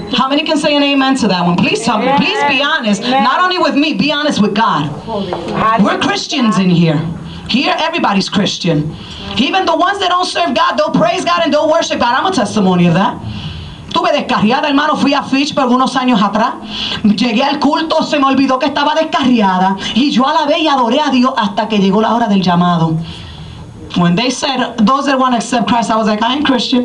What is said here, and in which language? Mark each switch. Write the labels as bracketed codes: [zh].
[en] How many can say an amen to that one? Please tell me. Please be honest. Not only with me, be honest with God. We're Christians in here. Here, everybody's Christian. Even the ones that don't serve God, they'll praise God and they'll worship God. I'm a testimony of that. [es] Tuve descarriada, hermano, fui a Fitch por unos años atrás. Llegué al culto, se me olvidó que estaba descarriada. Y yo alabé y adoré a Dios hasta que llegó la hora del llamado. [en] When they said, those that want to accept Christ, I was like, I ain't Christian.